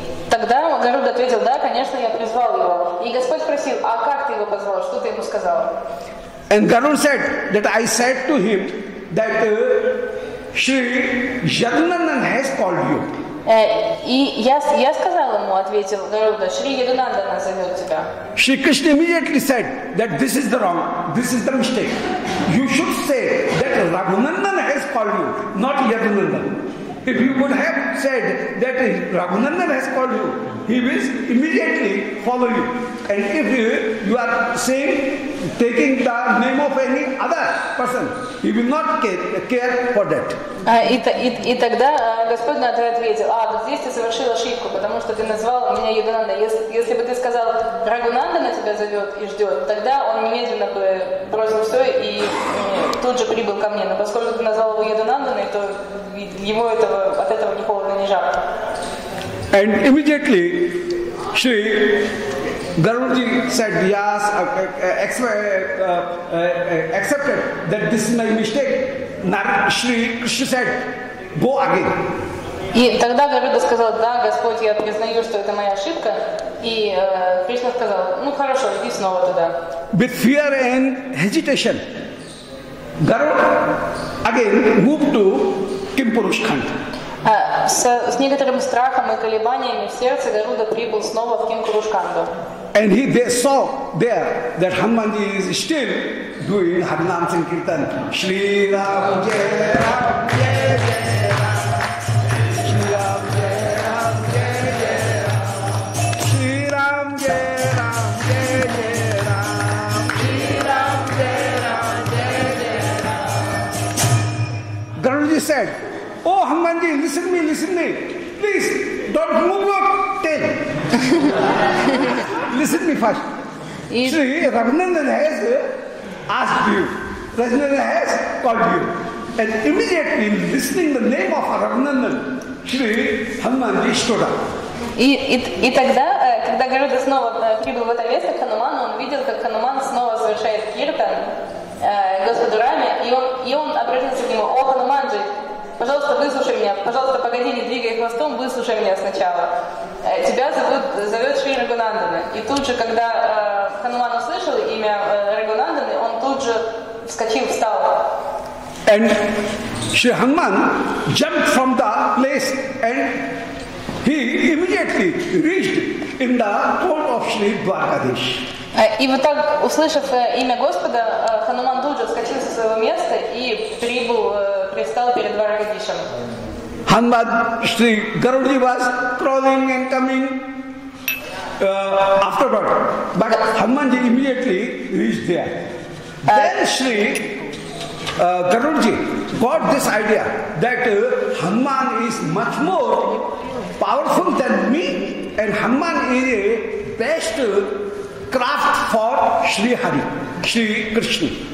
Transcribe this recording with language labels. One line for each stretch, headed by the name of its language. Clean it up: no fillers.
Russian: Тогда Гаруда ответил, да, конечно, я призвал его. И Господь спросил, а как ты его позвал, что ты ему сказал?
English: And Garuda said that I said to him that Shri Yadunandan has called you.
Russian: И я сказал ему, ответил Гаруда, Шри Ядунандана зовет тебя.
English: Шри Кришна immediately said that this is the wrong, this is the mistake. You should say that Raghunandan has called you, not Yadunandan. If you would have said that Raghunandan has called you, he will immediately follow you. And if you are saying, taking the name of any other person, he will not care for that.
Russian: И тогда Господь на это ответил, а, вот здесь ты совершил ошибку, потому что ты назвал меня Ядунанда. Если бы ты сказал, Рагунанда на тебя зовет и ждет, тогда он немедленно бы бросил все и тут же прибыл ко мне. Но поскольку ты назвал его Ядунанданой, то ему этого, от этого ни холодно, ни жарко.
English: And immediately, Shri Garudji said, yes, accepted that this is my mistake. Shri Krishna said, go again.
Russian: И тогда Гаруда сказал, да, Господь, я признаю, что это моя ошибка. И Кришна сказал, ну хорошо, иди снова туда.
English: With fear and hesitation, Garuda again moved to Kimpurushkhand.
Russian: С некоторым страхом и колебаниями в сердце Гаруда прибыл снова в Кимпурушканду.
English: And they saw there that Hanumanji is still doing Harinam Sankirtan. Shri Ram Jai Ram Jai Jai said, oh Hanumanji, listen me, please don't move your tail. Listen me first. Shri Raghunandan has asked you, Raghunandan has called you, and immediately listening the name of Raghunandan, Shri Hanumanji stood up.
Russian: И тогда, когда Гаруда снова прибыл в это место к Хануману, он видел, как Хануман снова совершает киртан Господу Раме, и он обратился к нему, о Хануманджи, пожалуйста, выслушай меня, пожалуйста, погоди, не двигай хвостом, выслушай меня сначала. Тебя зовет Шри Рагунандана. И тут же, когда Хануман услышал имя Рагунанданы, он тут же вскочил, встал.
English: And Shri Hanuman jumped from the place and he immediately reached in the port of Shri Dwarkadish.
Russian: И вот так, услышав имя Господа, Хануман тут же вскочил со своего места и пристал перед Дваракадишем.
English: Hanuman, Shri Garudji was crawling and coming afterward, but Hanumanji immediately reached there. Then Shri Garudji got this idea that Hanuman is much more powerful than me, and Hanuman is a best craft for Shri Hari, Shri Krishna.